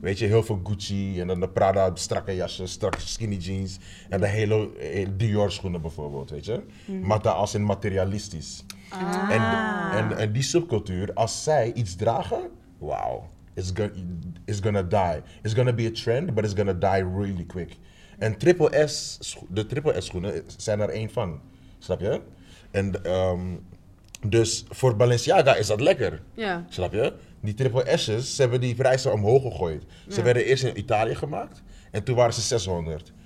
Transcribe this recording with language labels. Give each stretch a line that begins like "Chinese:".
Dutch: Weet je, heel veel Gucci en dan de Prada, strakke jassen, strakke skinny jeans. En de hele Dior schoenen bijvoorbeeld, weet je? Mm-hmm. Matta als in materialistisch. Ah. En die subcultuur, als zij iets dragen, wauw,
English: it's gonna die. It's gonna be a trend, but it's gonna die really quick.
Dutch: En de triple S schoenen zijn er één van, snap je? En dus voor Balenciaga is dat lekker, snap je? Die triple S's, ze hebben die prijzen omhoog gegooid. Ze werden eerst in Italië gemaakt en toen waren ze 600.